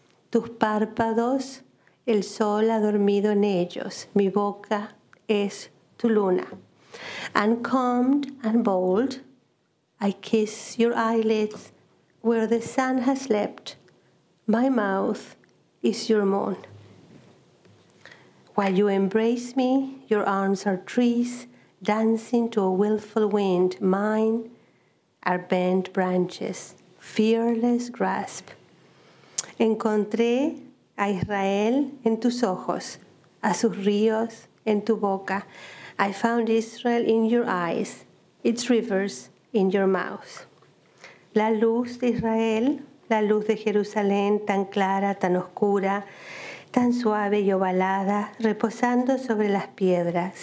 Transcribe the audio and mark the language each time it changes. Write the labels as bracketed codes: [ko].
[es] Tus párpados, el sol ha dormido en ellos. Mi boca es tu luna. [en] Uncombed and bold, I kiss your eyelids where the sun has slept. My mouth is your moon. While you embrace me, your arms are trees dancing to a willful wind. Mine are bent branches, fearless grasp. [es] Encontré a Israel en tus ojos, a sus ríos en tu boca. [en] I found Israel in your eyes, its rivers in your mouth. [es] La luz de Israel, la luz de Jerusalén, tan clara, tan oscura, tan suave y ovalada, reposando sobre las piedras.